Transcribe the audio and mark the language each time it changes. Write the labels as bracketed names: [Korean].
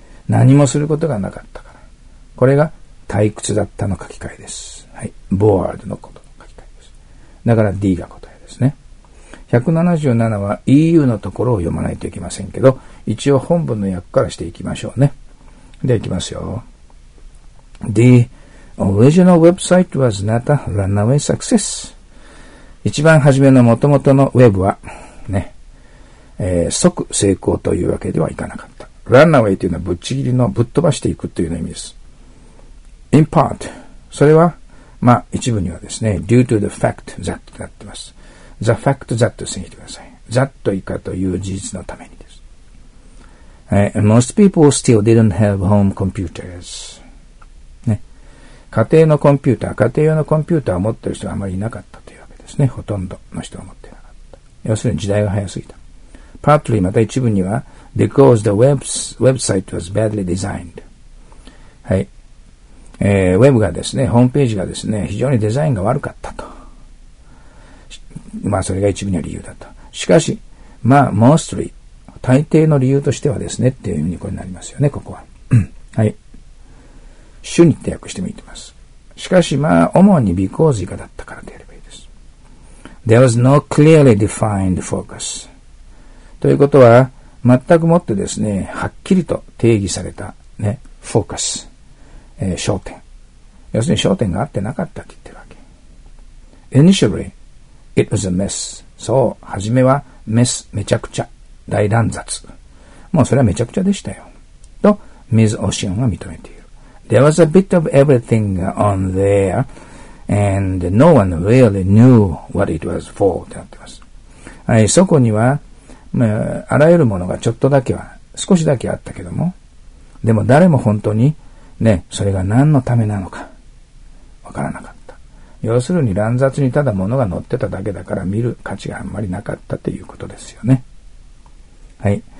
[Japanese] 何もすることがなかったから。これが、退屈だったの書き換えです。はい。 bored のことの書き換えです。だから D が答えですね。 177は EU のところを読まないといけませんけど、一応本文の訳からしていきましょうね。では行きますよ。 [English] The original website was not a runaway success. [Japanese] 一番初めの元々のウェブは、ね、即成功というわけではいかなかった。 runaway というのはぶっちぎりのぶっ飛ばしていくという意味です。In part, それは、まあ、一部にはですね、 [English] due to the fact that [Japanese] となってます。 The fact that と信じてください。that 以下という事実のためにです。 [English] Most people still didn't have home computers.、 [Japanese] ね、家庭のコンピューター、家庭用のコンピューターを持っている人があまりいなかったというわけですね。ほとんどの人は持っていなかった。要するに時代が早すぎた。 [English] partly [Japanese] また一部には、 [English] because the website was badly designed. [Japanese] はい。ウェブがですね、ホームページがですね、非常にデザインが悪かったと。まあ、それが一部の理由だと。しかし、まあ、mostly、大抵の理由としてはですね、っていうふうにこれになりますよね、ここは。はい。主にって訳してもいいと思います。しかし、まあ、主に because 以下だったからでやればいいです。 [English] There was no clearly defined focus. [Japanese] ということは、全くもってですね、はっきりと定義されたね、focus。焦点。要するに焦点が合ってなかったって言ってるわけ。 [English] Initially, it was a mess. [Japanese] そう、はじめはメス、めちゃくちゃ、大乱雑。もうそれはめちゃくちゃでしたよ。と、Ms. Ocean は認めている。 [English] There was a bit of everything on there, and no one really knew what it was for, ってなってます。 [Japanese] はい、そこには、まあ、あらゆるものがちょっとだけは、少しだけあったけども、でも誰も本当に、ね、それが何のためなのか、わからなかった。要するに乱雑にただ物が載ってただけだから見る価値があんまりなかったっていうことですよね。はい。